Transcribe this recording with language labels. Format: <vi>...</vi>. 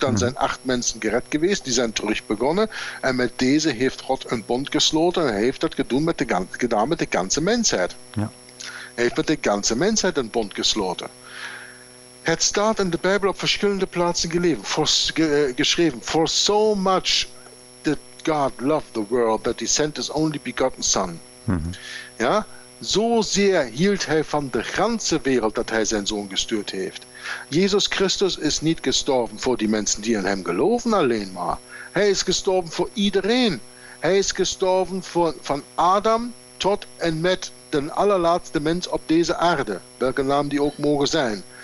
<nl>Dan zijn 8 mensen gered geweest, die zijn terug begonnen. En met deze heeft God een bond gesloten en hij heeft dat gedaan met de ganse mensheid. Ja. Hij heeft met de ganse mensheid een bond gesloten. Het staat in de Bijbel op verschillende plaatsen geschreven.</nl> <en>For so much did God love the world that he sent his only begotten son.</en> <nl>Ja? Zo zeer hield hij van de ganse wereld dat hij zijn zoon gestuurd heeft. Jezus Christus is niet gestorven voor die mensen die in hem geloven alleen maar. Hij is gestorven voor iedereen. Hij is gestorven van Adam tot en met de allerlaatste mens op deze aarde, welke naam die ook mogen zijn.</nl>